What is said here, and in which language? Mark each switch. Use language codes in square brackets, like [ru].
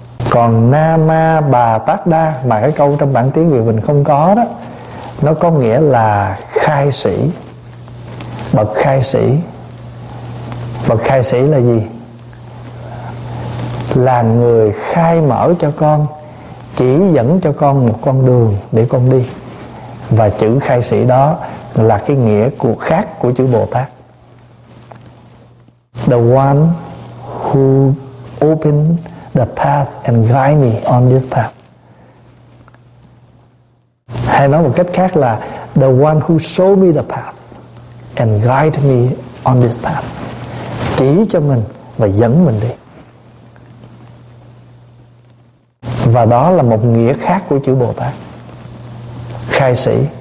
[vi] Còn nama bà tát đa mà cái câu trong bản tiếng Việt mình không có đó, nó có nghĩa là khai sĩ, bậc khai sĩ. Bậc khai sĩ là gì? Là người khai mở cho con, chỉ dẫn cho con một con đường để con đi. Và chữ khai sĩ đó là cái nghĩa của khác của chữ Bồ Tát. [en] The one who opened the path and guide me on this path. [vi] Hay nói một cách khác là [en] the one who showed me the path and guide me on this path. [vi] Chỉ cho mình và dẫn mình đi. Và đó là một nghĩa khác của chữ Bồ Tát. Khai sĩ.